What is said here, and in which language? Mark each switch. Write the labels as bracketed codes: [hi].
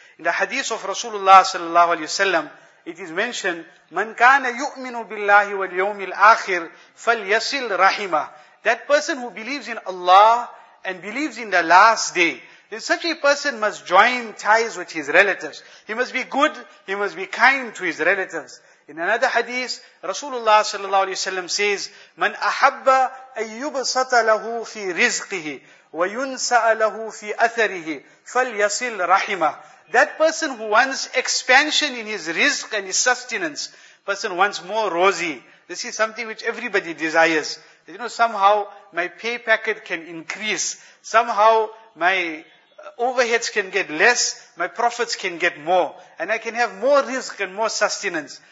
[en] In the hadith of Rasulullah sallallahu alayhi wa sallam, it is mentioned, [ar] مَنْ كَانَ يُؤْمِنُ بِاللَّهِ وَالْيَوْمِ الْآخِرِ فَلْيَسِلْ رَحِمَهِ. [en] That person who believes in Allah and believes in the last day, then such a person must join ties with his relatives. He must be good, he must be kind to his relatives. In another hadith, Rasulullah sallallahu alayhi wa sallam says, [ar] مَنْ أَحَبَّ أَن يُبْسَطَ لَهُ فِي رِزْقِهِ وَيُنْسَأَ لَهُ فِي أَثَرِهِ فَلْيَصِلْ رَحِمَهِ. [en] That person who wants expansion in his rizq and his sustenance, person wants more rosy. This is something which everybody desires. You know, somehow my pay packet can increase. Somehow my overheads can get less, my profits can get more, and I can have more rizq and more sustenance.